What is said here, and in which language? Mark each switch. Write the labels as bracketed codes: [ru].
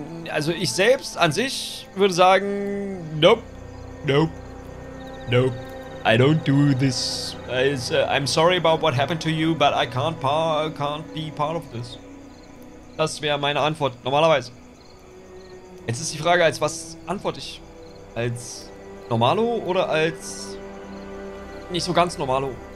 [de] Also ich selbst an sich würde sagen, [en] nope, nope, nope, I don't do this. I'm sorry about what happened to you, but I can't be part of this. [de] Das wäre meine Antwort, normalerweise. Jetzt ist die Frage, als was antworte ich? Als Normalo oder als nicht so ganz Normalo?